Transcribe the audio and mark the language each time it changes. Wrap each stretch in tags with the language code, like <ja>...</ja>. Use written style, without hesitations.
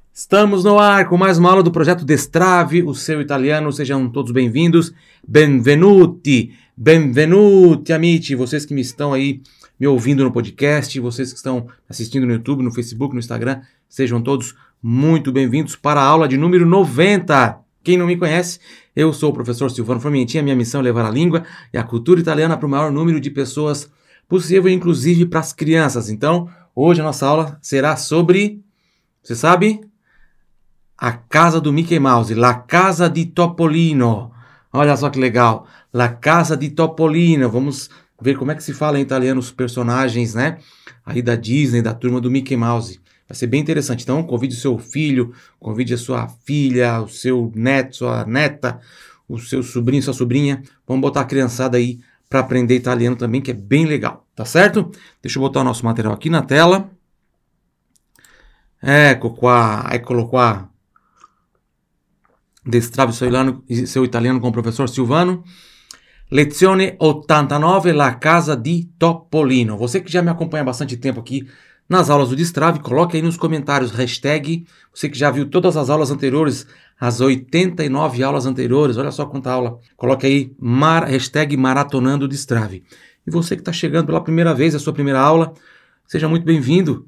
<pt>Estamos no ar com mais uma aula do projeto Destrave, o seu italiano. Sejam todos bem-vindos.</pt> <it>Benvenuti, benvenuti, amici.</it> <pt>Vocês que me estão aí me ouvindo no podcast, vocês que estão assistindo no YouTube, no Facebook, no Instagram, sejam todos muito bem-vindos para a aula de número 90. Quem não me conhece, eu sou o professor Silvano Formentini. A minha missão é levar a língua e a cultura italiana para o maior número de pessoas possível, inclusive para as crianças. Então, hoje a nossa aula será sobre... Você sabe? A casa do Mickey Mouse, La Casa di Topolino. Olha só que legal, La Casa di Topolino. Vamos ver como é que se fala em italiano os personagens, né? Aí da Disney, da turma do Mickey Mouse. Vai ser bem interessante. Então, convide o seu filho, convide a sua filha, o seu neto, sua neta, o seu sobrinho, sua sobrinha. Vamos botar a criançada aí para aprender italiano também, que é bem legal. Tá certo?</pt> <it>Deixa eu botar o nosso material aqui na tela. Ecco qua, eccolo qua.</it> <pt>Destrave seu italiano com o professor Silvano.</pt> <it>Lezione 89, La Casa di Topolino.</it> <pt>Você que já me acompanha há bastante tempo aqui nas aulas do Destrave, coloque aí nos comentários, hashtag, você que já viu todas as aulas anteriores, as 89 aulas anteriores, olha só quanta aula. Coloque aí, hashtag maratonando o Destrave. E você que está chegando pela primeira vez, a sua primeira aula, seja muito bem-vindo.</pt>